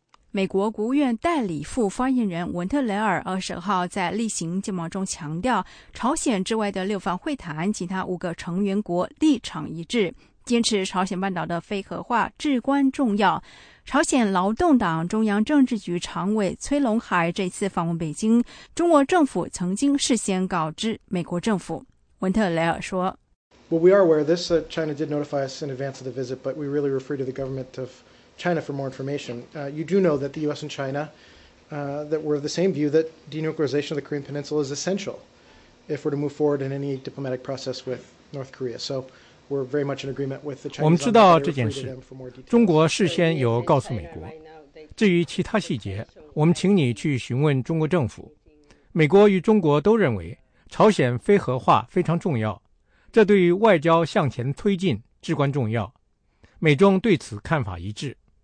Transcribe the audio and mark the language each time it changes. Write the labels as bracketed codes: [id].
[zh] 美国国务院代理副发言人文特雷尔20号在例行见报中强调，朝鲜之外的六方会谈其他5个成员国立场一致，坚持朝鲜半岛的非核化至关重要。朝鲜劳动党中央政治局常委崔龙海这次访问北京，中国政府曾经事先告知美国政府。文特雷尔说， [en] Well, we are aware of this. China did notify us in advance of the visit, but we really refer to the government of China for more information. You do know that the U.S. and China, that were of the same view that denuclearization of the Korean Peninsula is essential if we're to move forward in any diplomatic process with North Korea. So we're very much in agreement with the Chinese. [zh] 我们知道这件事，中国事先有告诉美国。至于其他细节，我们请你去询问中国政府。美国与中国都认为朝鲜非核化非常重要，这对于外交向前推进至关重要，美中对此看法一致。